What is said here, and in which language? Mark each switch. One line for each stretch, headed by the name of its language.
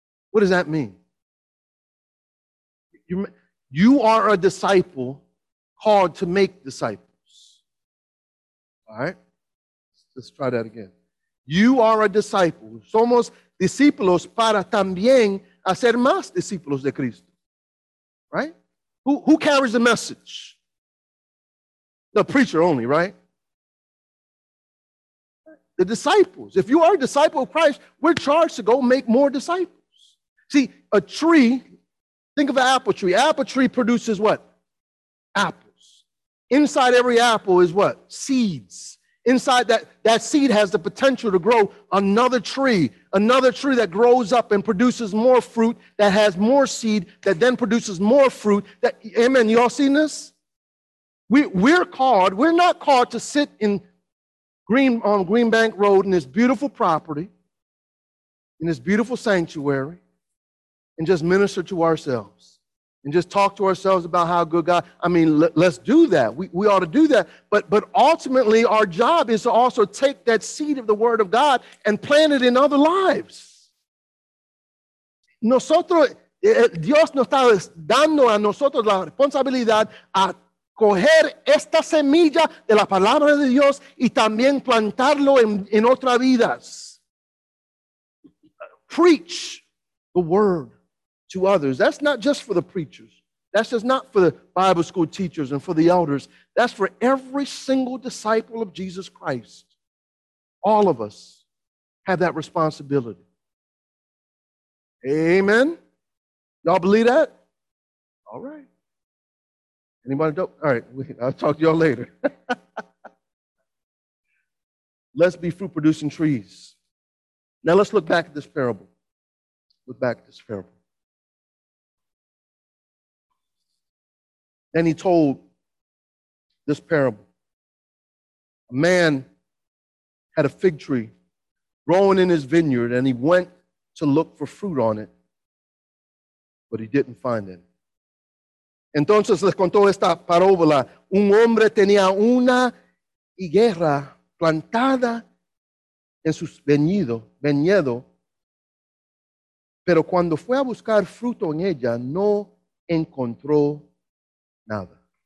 English: What does that mean? You are a disciple called to make disciples. All right? Let's try that again. You are a disciple.
Spanish: Somos discípulos para también hacer más discípulos de Cristo.
English: Right? Who carries the message? The preacher only, right? The disciples. If you are a disciple of Christ, we're charged to go make more disciples. See, a tree, think of an apple tree. Apple tree produces what? Apples. Inside every apple is what? Seeds. Inside that seed has the potential to grow another tree that grows up and produces more fruit, that has more seed, that then produces more fruit. Amen. You all seen this? We're not called to sit on Green Bank Road in this beautiful property, in this beautiful sanctuary, and just minister to ourselves and just talk to ourselves about how good God, let's do that. We ought to do that. But ultimately, our job is to also take that seed of the Word of God and plant it in other lives.
Spanish: Dios nos está dando a nosotros la responsabilidad a coger esta semilla de la palabra de Dios y también plantarlo en otras vidas.
English: Preach the word to others. That's not just for the preachers. That's just not for the Bible school teachers and for the elders. That's for every single disciple of Jesus Christ. All of us have that responsibility. Amen? Y'all believe that? All right. Anybody don't? All right, I'll talk to y'all later. Let's be fruit-producing trees. Now let's look back at this parable. Look back at this parable. Then he told this parable. A man had a fig tree growing in his vineyard, and he went to look for fruit on it, but he didn't find any.
Spanish: Entonces les contó esta parábola. Un hombre tenía una higuera plantada en su viñedo, pero cuando fue a buscar fruto en ella, no encontró nada.